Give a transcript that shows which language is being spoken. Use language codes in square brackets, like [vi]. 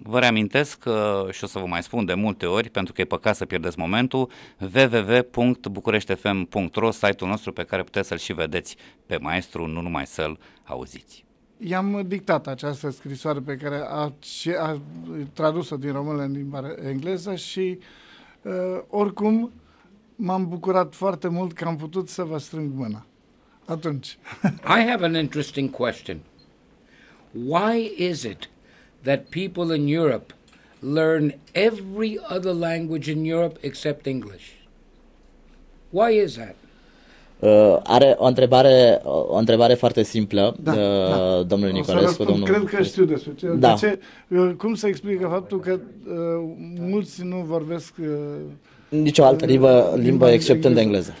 [ro] Vă reamintesc, și o să vă mai spun de multe ori, pentru că e păcat să pierdeți momentul, www.bucureștefm.ro, site-ul nostru pe care puteți să-l și vedeți pe maestru, nu numai să-l auziți. I-am dictat această scrisoare pe care a tradus-o din română în limba engleză și oricum m-am bucurat foarte mult că am putut să vă strâng mâna. Atunci. [en] I have an interesting question. Why is it that people in Europe learn every other language in Europe except English? Why is that? [ro] Are o întrebare foarte simplă, domnul Nicolescu. Cred că știu despre ce. Da. De ce, cum se explică faptul că mulți nu vorbesc nicio altă limbă except în engleză?